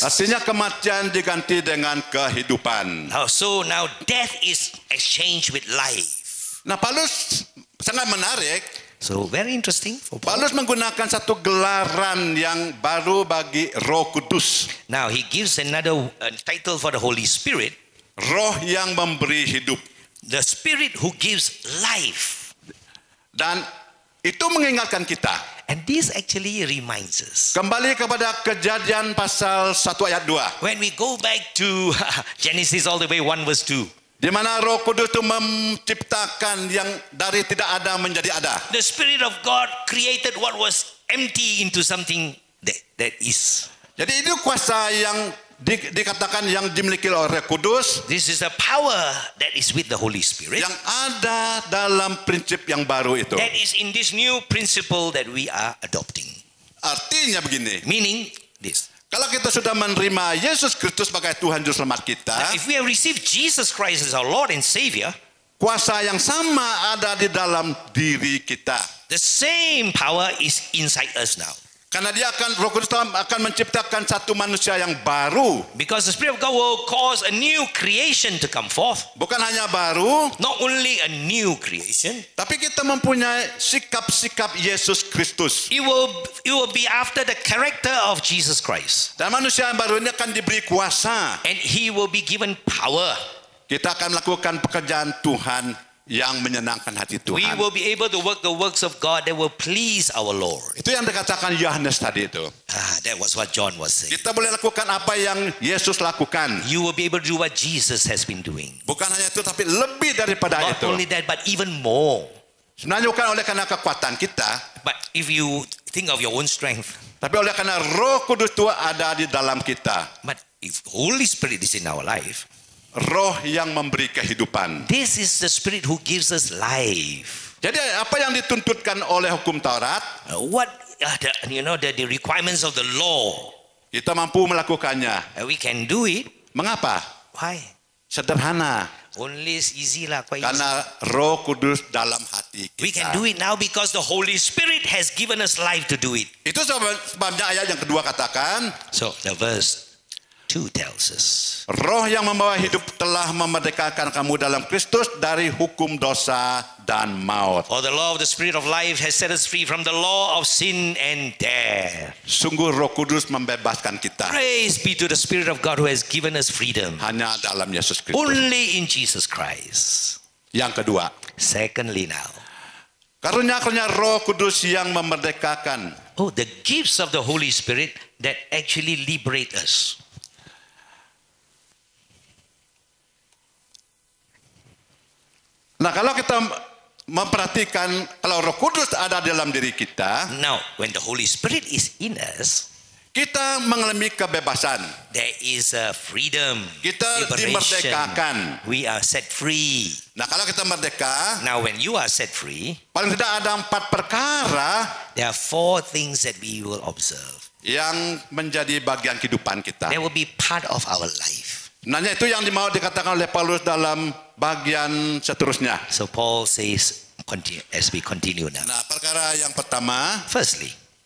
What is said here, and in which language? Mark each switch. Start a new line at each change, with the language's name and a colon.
Indonesian: Artinya kematian diganti dengan kehidupan.
English: Oh, so now death is exchanged with life.
Indonesian: Nah, Paulus sangat menarik.
English: So very interesting.
Indonesian: Paulus menggunakan satu gelaran yang baru bagi Roh Kudus.
English: Now he gives another title for the Holy Spirit.
Indonesian: Roh yang memberi hidup.
English: The Spirit who gives life.
Indonesian: Dan itu mengingatkan kita.
English: And this actually reminds us.
Indonesian: Kembali kepada Kejadian pasal 1 ayat 2.
English: When we go back to Genesis all the way 1 verse 2.
Indonesian: Di mana Roh Kudus itu menciptakan yang dari tidak ada menjadi ada.
English: The Spirit of God created what was empty into something that is.
Indonesian: Jadi itu kuasa yang dikatakan yang dimiliki oleh Kudus.
English: This is the power that is with the Holy Spirit.
Indonesian: Yang ada dalam prinsip yang baru itu.
English: That is in this new principle that we are adopting.
Indonesian: Artinya begini.
English: Meaning this.
Indonesian: Kalau kita sudah menerima Yesus Kristus sebagai Tuhan Juru Selamat kita.
English: Now if we have received Jesus Christ as our Lord and Savior.
Indonesian: Kuasa yang sama ada di dalam diri kita.
English: The same power is inside us now.
Indonesian: Karena dia akan, Roh Kudus akan menciptakan satu manusia yang baru.
English: Because the Spirit of God will cause a new creation to come forth.
Indonesian: Bukan hanya baru.
English: Not only a new creation.
Indonesian: Tapi kita mempunyai sikap-sikap Yesus Kristus.
English: It will be after the character of Jesus Christ.
Indonesian: Dan manusia yang baru ini akan diberi kuasa.
English: And he will be given power.
Indonesian: Kita akan melakukan pekerjaan Tuhan yang menyenangkan hati Tuhan.
English: We will be able to work the works of God that will please our Lord.
Indonesian: Itu yang dikatakan Yohanes tadi itu.
English: That was what John was saying.
Indonesian: Kita boleh lakukan apa yang Yesus lakukan.
English: You will be able to do what Jesus has been doing.
Indonesian: Bukan hanya itu, tapi lebih daripada
English: not
Indonesian: itu.
English: Not only that, but even more.
Indonesian: Sebenarnya bukan oleh karena kekuatan kita.
English: But if you think of your own strength.
Indonesian: Tapi oleh karena Roh Kudus itu ada di dalam kita.
English: But if Holy Spirit is in our life.
Indonesian: Roh yang memberi kehidupan.
English: This is the Spirit who gives us life.
Indonesian: Jadi apa yang dituntutkan oleh hukum Taurat?
English: The requirements of the law.
Indonesian: Kita mampu melakukannya.
English: We can do it.
Indonesian: Mengapa?
English: Why?
Indonesian: Sederhana.
English: Only is easy lah.
Indonesian: Karena Roh Kudus dalam hati kita.
English: We can do it now because the Holy Spirit has given us life to do it.
Indonesian: Itu sebabnya ayat yang kedua katakan.
English: So the verse. Who tells us?
Indonesian: Roh yang membawa hidup telah memerdekakan kamu dalam Kristus dari hukum dosa dan maut.
English: For the law of the Spirit of life has set us free from the law of sin and death.
Indonesian: Sungguh Roh Kudus membebaskan kita.
English: Praise be to the Spirit of God who has given us freedom.
Indonesian: Hanya dalam Yesus Kristus.
English: Only in Jesus Christ.
Indonesian: Yang kedua.
English: Secondly now.
Indonesian: Karunia-karunia Roh Kudus yang memerdekakan.
English: Oh, the gifts of the Holy Spirit that actually liberate us.
Indonesian: Nah, kalau kita memperhatikan, kalau Roh Kudus ada dalam diri kita.
English: Now, when the Holy Spirit is in us.
Indonesian: Kita mengalami kebebasan.
English: There is a freedom.
Indonesian: Kita liberation. Dimerdekakan.
English: We are set free.
Indonesian: Nah, kalau kita merdeka.
English: Now, when you are set free.
Indonesian: Paling tidak ada empat perkara.
English: There are four things that we will observe.
Indonesian: Yang menjadi bagian kehidupan kita.
English: They will be part of our life.
Indonesian: Nah, itu yang mau dikatakan oleh Paulus dalam bagian seterusnya.
English: So Paul says, continue, as we continue now.
Indonesian: Nah, perkara yang pertama.
English: Firstly.